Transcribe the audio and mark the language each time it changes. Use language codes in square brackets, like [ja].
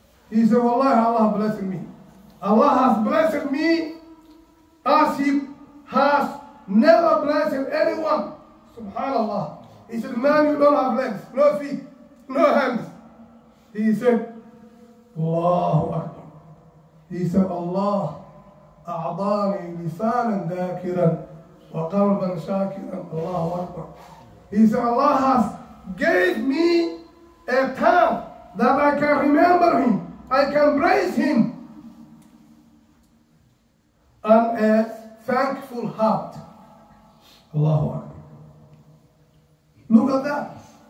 [en] He said, Wallahi, Allah is blessing me. Allah has blessed me as he has never blessed anyone. Subhanallah. He said, man, you don't have legs, no feet, no hands. He said, Allahu Akbar. He said, [ar] Allah أعطاني لسانا ذاكرا وقلبا شاكرا الله أكبر. [en] He said, Allah has gave me a tongue that I can remember him, I can praise him, and a thankful heart. [ar] الله أكبر. [en] Look at that.